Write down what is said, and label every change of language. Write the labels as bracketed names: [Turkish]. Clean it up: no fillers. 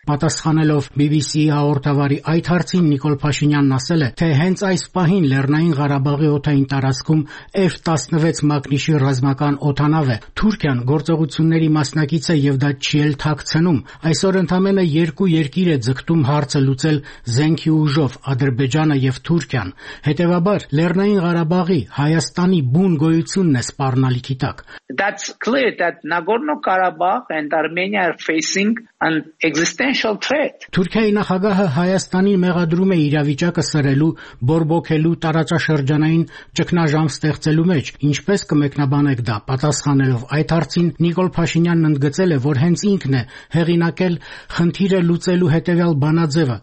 [Armenian] Պատասխանելով BBC-ի հաղորդավարի այդ հարցին, Նիկոլ Փաշինյանն ասել է, թե հենց այս պահին Լեռնային Ղարաբաղի օթային տարածքում F-16 մագնիշի ռազմական օթանավ է, Թուրքիան գործողությունների մասնակից է եւ դա չի էլ թաքցնում։ Այսօր ընդամենը 2 երկիր է ձգտում հարցը լուծել զենքի ուժով՝ Ադրբեջանը եւ Թուրքիան։ Հետևաբար Լեռնային Ղարաբաղի Հայաստանի բուն գոյությունն է սպառնալիքի տակ։ [English] That's clear that Nagorno-Karabakh and Armenia are facing an existential threat. [Armenian] Թուրքիայի նախագահը Հայաստանին մեղադրում է իրավիճակը սրելու, բորբոքելու, տարածաշրջանային ճգնաժամ ստեղծելու մեջ։ Ինչպես կմեկնաբանեք դա, պատասխանելով այդ հարցին, Նիկոլ Փաշինյանն ընդգծել է, որ հենց ինքն է հեղինակել խնդիրը լուծելու հետևյալ բանաձևը.